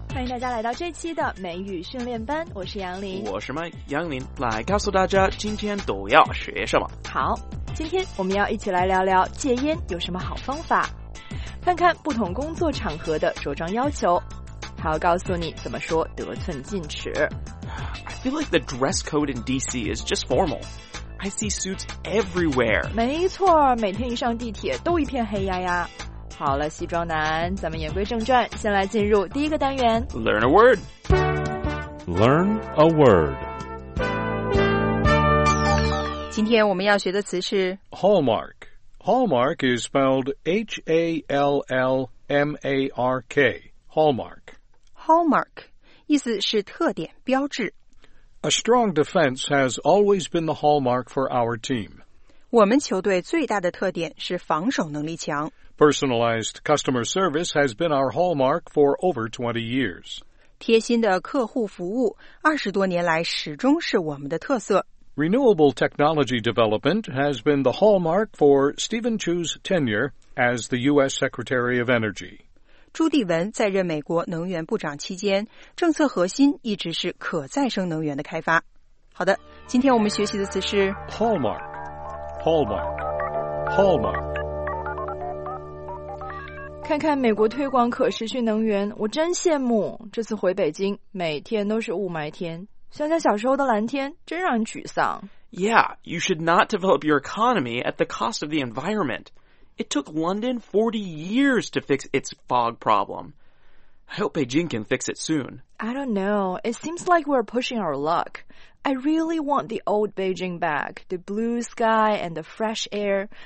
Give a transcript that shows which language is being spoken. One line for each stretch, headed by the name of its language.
Chinese: 大家来到这期的美语训练班，我是杨林。我是麦杨林，来告诉大家今天都要学什么。好，今天我们要一起来聊聊戒烟有什么好方法，看看不同工作场合的着装要求，还要告诉你怎么说得寸进尺。
English: I feel like the dress code in DC is just formal. I see suits everywhere.
Chinese: 没错，每天一上地铁都一片黑压压。好了，西装男，咱们言归正传，先来进入第一个单元。
English: Learn a word. Learn a word.
Chinese: 今天我们要学的词是
English: Hallmark. Hallmark is spelled H-A-L-L-M-A-R-K. Hallmark.
Chinese: Hallmark, 意思是特点、标志。
English: A strong defense has always been the hallmark for our team.
Chinese: 我们球队最大的特点是防守能力强。
English: Personalized customer service has been our hallmark for over 20 years.
Chinese: 贴心的客户服务20多年来始终是我们的特色。
English: Renewable technology development has been the hallmark for Stephen Chu's tenure as the U.S. Secretary of Energy.
Chinese: 朱棣文在任美国能源部长期间，政策核心一直是可再生能源的开发。好的，今天我们学习的词是
English: Hallmark, Hallmark, Hallmark.
Chinese: 看看美国推广可持续能源，我真羡慕。这次回北京，每天都是雾霾天，想想小时候的蓝天，真让人沮丧。
English: Yeah, you should not develop your economy at the cost of the environment. It took London 40 years to fix its fog problem. I hope Beijing can fix it soon. I don't know. It seems like we're pushing our luck. I really want the old Beijing back, the blue sky and the fresh air.